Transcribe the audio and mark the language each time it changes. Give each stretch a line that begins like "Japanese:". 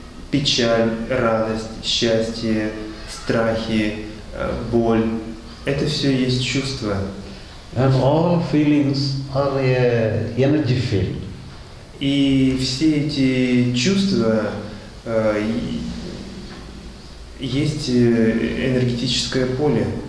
Russian: Печаль, радость, счастье, страхи, боль. Это все есть чувства.
English: And all feelings are a energy field.
Russian: И все эти чувства есть энергетическое поле.